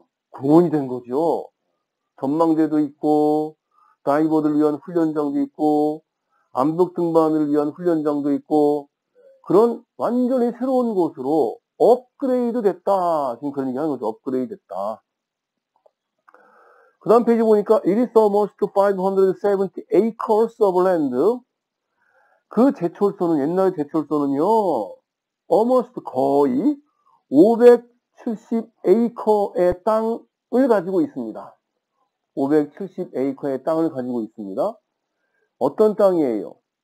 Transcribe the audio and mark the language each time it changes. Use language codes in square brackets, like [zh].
[ko] 공원이 된 거죠. 전망대도 있고, 다이버들 위한 훈련장도 있고, 암벽 등반을 위한 훈련장도 있고, 그런 완전히 새로운 곳으로 업그레이드 됐다. 지금 그런 얘기 하는 거죠. 업그레이드 됐다. [en] 그 다음 페이지 보니까, It is almost 570 acres of land. [ko] 그 제철소는, 옛날 제철소는요, almost 거의 570에이커의 땅을 가지고 있습니다. 570에이커의 땅을 가지고 있습니다. 어떤 땅이에요?